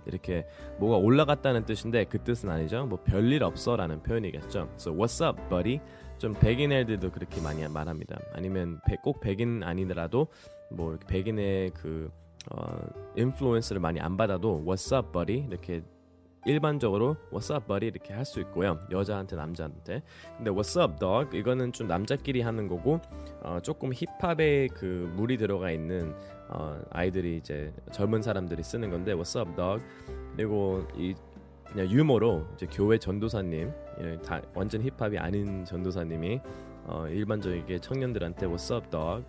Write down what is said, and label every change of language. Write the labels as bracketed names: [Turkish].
[Korean] 이렇게 뭐가 올라갔다는 뜻인데 그 뜻은 아니죠. 뭐 별일 없어라는 표현이겠죠. [English] So what's up, buddy? [Korean] 좀 백인 애들도 그렇게 많이 말합니다. 아니면 꼭 백인 아니더라도 뭐 이렇게 백인의 그 인플루언스를 많이 안 받아도 [English] What's up, buddy? [Korean] 이렇게 일반적으로 [English] What's up, buddy? [Korean] 이렇게 할 수 있고요. 여자한테 남자한테. 근데 [English] What's up, dog? [Korean] 이거는 좀 남자끼리 하는 거고 조금 힙합의 그 물이 들어가 있는 아이들이 이제 젊은 사람들이 쓰는 건데 [English] What's up, dog? [Korean] 그리고 이 그냥 유머로 이제 교회 전도사님 다 완전 힙합이 아닌 전도사님이 일반적이게 청년들한테 What's up, dog?